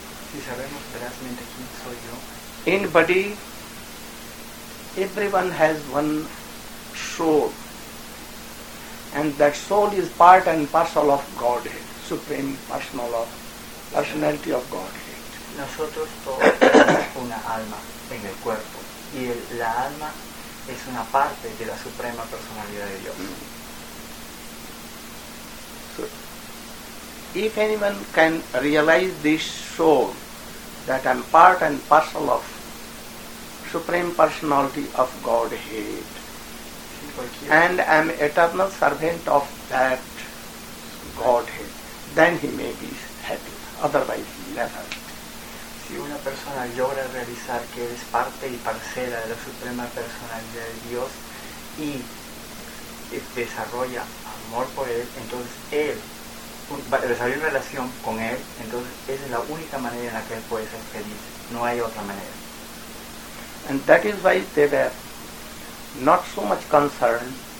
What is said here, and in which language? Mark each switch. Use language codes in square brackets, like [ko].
[es] si sabemos verdaderamente quién soy yo, [en] in body everyone has one soul and that soul is part and parcel of Godhead, supreme personal of personality of Godhead. [es] Nosotros todos tenemos una alma en el cuerpo y la alma es una parte de la suprema personalidad de Dios. [en] So, if anyone can realize this soul, that I'm part and parcel of supreme personality of Godhead, and I'm eternal servant of that Godhead, then he may be happy. Otherwise, never. [es] Si una persona logra realizar que es parte y parcela de la suprema personalidad de Dios y desarrolla amor por él, entonces él desarrolla una relación con él, entonces esa es la única manera en la que él puede ser feliz. No hay otra manera. [en] And that is why they were not so much concerned